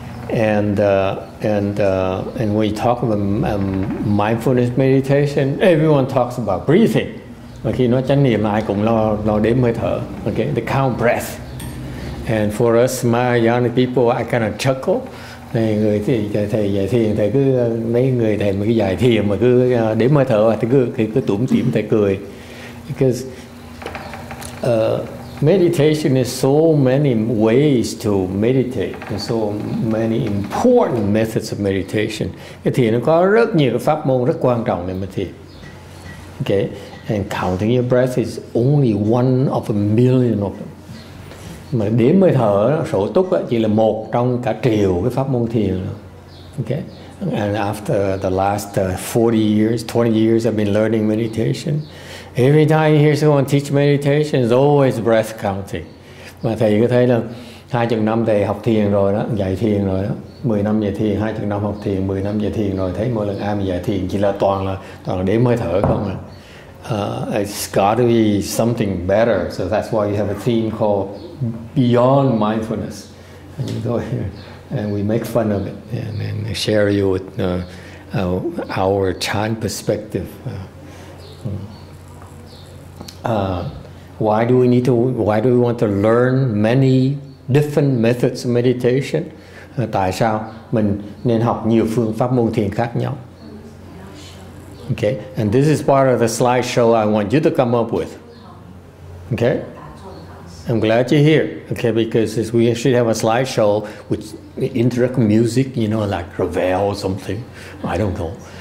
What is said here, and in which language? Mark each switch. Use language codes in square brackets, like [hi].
[en] And when you talk about mindfulness meditation, everyone talks about breathing. [vi] Và khi nói chánh niệm, ai cũng lo đếm hơi thở. [en] Okay, the count breath. And for us, my young people, I kind of chuckle. [vi] Này, người thầy dạy thiền, thầy cứ mấy người thầy mới dạy thiền mà cứ đếm hơi thở, thầy cứ tủm tỉm thầy cười. [en] Because meditation is so many ways to meditate, and so many important methods of meditation. [vi] Cái thiền nó có rất nhiều cái pháp môn rất quan trọng để mà thiền. [en] Okay, and counting your breath is only one of a million of them. [vi] Mà đếm hơi thở, sổ túc chỉ là một trong cả triệu cái pháp môn thiền. [en] Okay. And after the last 40 years, 20 years I've been learning meditation. Every time you hear someone teach meditation, it's always breath counting. [vi] Mà thầy cứ thấy là 20 năm thầy học thiền rồi đó, dạy thiền rồi đó. 10 năm dạy thiền, 20 năm học thiền, 10 năm dạy thiền rồi. Thấy mỗi lần ai mà dạy thiền chỉ là toàn là đếm hơi thở không à. [en] It's got to be something better. So that's why you have a theme called Beyond Mindfulness. And you go here and we make fun of it and share you with our Chan perspective. Why do we want to learn many different methods of meditation? [vi] Tại sao mình nên học nhiều phương pháp môn thiền khác nhau? [en] Okay, and this is part of the slideshow I want you to come up with. Okay, I'm glad you're here. Okay, because we should have a slideshow with interact music, you know, like Ravel or something. I don't know.